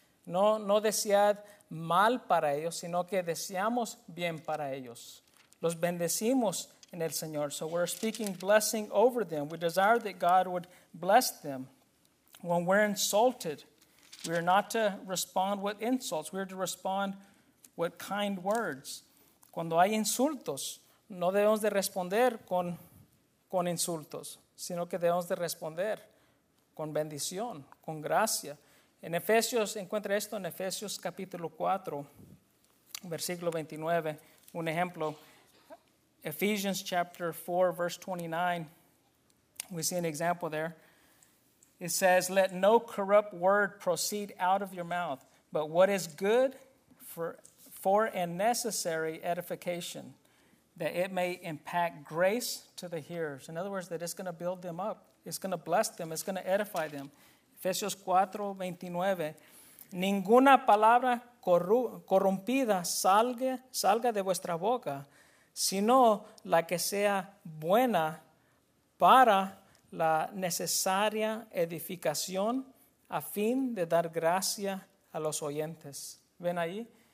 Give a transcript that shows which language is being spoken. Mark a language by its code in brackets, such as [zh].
[es] No desear mal para ellos, sino que deseamos bien para ellos. Los bendecimos en el Señor. [en] So we're speaking blessing over them. We desire that God would bless them. When we're insulted, we are not to respond with insults. We are to respond with kind words. [es] Cuando hay insultos, no debemos de responder con insultos, sino que debemos de responder con bendición, con gracia. En Efesios, encuentra esto en Efesios capítulo 4, versículo 29, un ejemplo. [en] Ephesians chapter 4, verse 29, we see an example there. It says, let no corrupt word proceed out of your mouth, but what is good for and necessary edification, that it may impact grace to the hearers. In other words, that it's going to build them up. It's going to bless them. It's going to edify them. Efesios 4, 29. [es] Ninguna palabra corrompida salga de vuestra boca, sino la que sea buena para la necesaria edificación a fin de dar gracia a los oyentes. ¿Ven ahí?